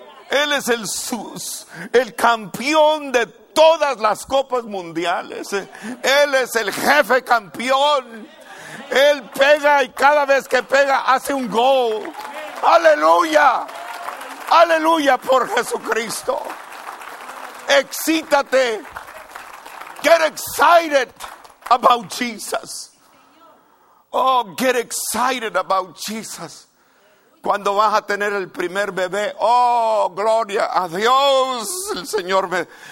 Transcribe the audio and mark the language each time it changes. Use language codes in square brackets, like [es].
[es] Él es el campeón de todas las copas mundiales. Él es el jefe campeón. Él pega y cada vez que pega hace un gol. ¡Aleluya! Aleluya por Jesucristo. Excítate. [en] Get excited about Jesus. Oh, get excited about Jesus. [es] Cuando vas a tener el primer bebé, oh, gloria a Dios. El Señor me.